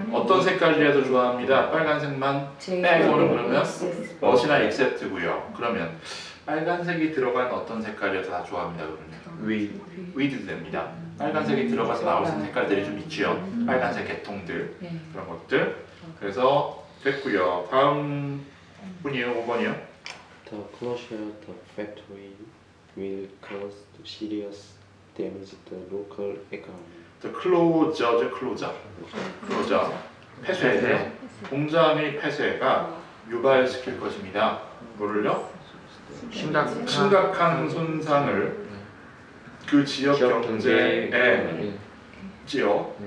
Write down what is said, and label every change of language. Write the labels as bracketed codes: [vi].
[ko] 어떤 색깔이라도 좋아합니다. 빨간색만 빼고는 그러면 멋이나 except고요. 그러면 빨간색이 들어간 어떤 색깔이라도 다 좋아합니다. 그러면 위드 됩니다. 빨간색이 들어가서 나오는 색깔들이 좀 있지요. 빨간색 계통들 그런 것들. 그래서 됐고요. 다음 분이요, 5번이요. [en] The closure of the factory will cause serious damage to local economy. [ko] The closure죠, closure. 폐쇄. 공장의 폐쇄가 유발시킬 것입니다. 뭐를요? 심각한 손상을 그 지역 경제에 지요.